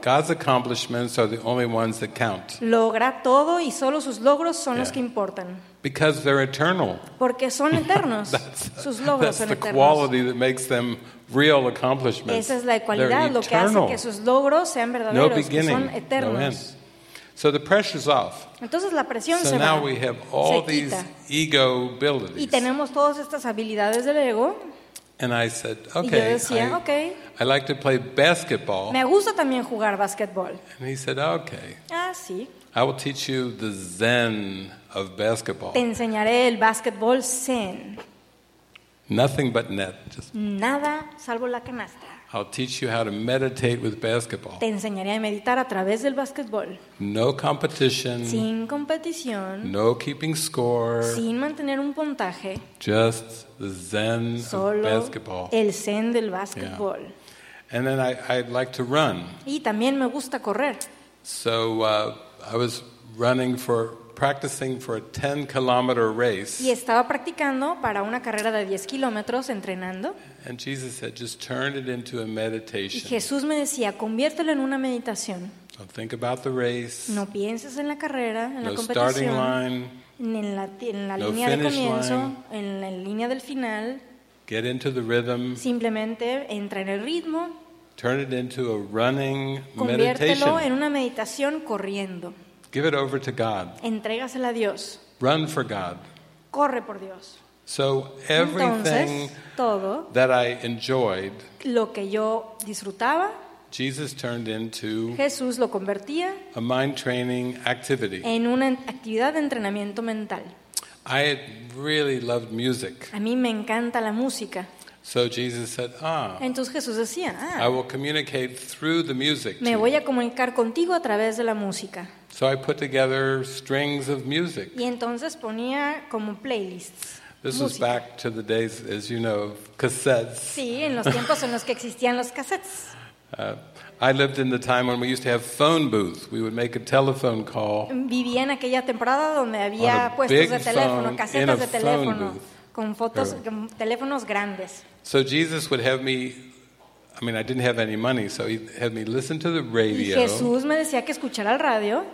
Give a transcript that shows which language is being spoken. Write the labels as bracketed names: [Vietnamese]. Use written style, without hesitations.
[English] God's accomplishments are the only ones that count. [Spanish] Logra todo y solo sus logros son los que importan. [English] Because they're eternal. [Spanish] Porque son eternos. [English] That's, [Spanish] sus logros [English] that's [Spanish] son [English] the [Spanish] eternos. [English] Quality that makes them real accomplishments. [Spanish] Esa es la cualidad lo que hace que sus logros sean verdaderos, [English] no beginning, [Spanish] que son eternos. [English] No end. So the pressure's off. [Spanish] Entonces, la presión [English] so [Spanish] se [English] now [Spanish] va. [English] We have all these ego abilities. [Spanish] Y tenemos todas estas habilidades del ego. [English] And I said, okay, I like to play basketball. [Spanish] Me gusta también jugar basketball. [English] And he said, okay, [Spanish] ah, sí. [English] I will teach you the zen of basketball. [Spanish] Te enseñaré el basketball zen. [English] Nothing but net. Just [Spanish] nada salvo la canasta. [English] I'll teach you how to meditate with basketball. [Spanish] Te enseñaré a meditar a través del basketball. [English] No competition. [Spanish] Sin competición. [English] No keeping score. [Spanish] Sin mantener un puntaje. [English] Just the zen [Spanish] solo [English] of basketball. [Spanish] El zen del basketball. [English] Yeah. And then I'd like to run. [Spanish] Y también me gusta correr. [English] So I was running for practicing for a 10-kilometer race. [Spanish] Y estaba practicando para una carrera de 10 kilómetros entrenando. [English] And Jesus said, "Just turn it into a meditation." [Spanish] Y Jesús me decía, conviértelo en una meditación. [English] Don't think about the race. [Spanish] No pienses en la carrera, en [English] no [Spanish] la competición. [English] Starting line, [Spanish] en la [English] no [Spanish] línea de comienzo, [English] line. [Spanish] En la línea del final. [English] Get into the rhythm. [Spanish] Simplemente entra en el ritmo. [English] Turn it into a running [Spanish] conviértelo [English] meditation. [Spanish] Conviértelo en una meditación corriendo. [English] Give it over to God. [Spanish] Entrégasela a Dios. [English] Run for God. [Spanish] Corre por Dios. [English] So everything [Spanish] entonces, todo [English] that I enjoyed, [Spanish] lo que yo disfrutaba, [English] Jesus turned into [Spanish] Jesús lo convertía [English] a mind training activity. [Spanish] En una actividad de entrenamiento mental. [English] I really loved music. [Spanish] A mí me encanta la música. [English] So Jesus said, [Spanish] entonces Jesús decía, [English] I will communicate through the music. [Spanish] Me voy a comunicar contigo a través de la música. [English] So I put together strings of music. [Spanish] Y entonces ponía como playlists. [English] This [Spanish] música. [English] Was back to the days, as you know, of cassettes. [Spanish] Sí, en los tiempos en los que existían los cassettes. [English] I lived in the time when we used to have phone booths. We would make a telephone call. [Spanish] Vivía en aquella temporada donde había puestos de teléfono, casetas de teléfono, con fotos, con teléfonos grandes. [English] So Jesus would have me. I mean, I didn't have any money, so he had me listen to the radio. [Spanish] Jesús me decía que escuchara el radio.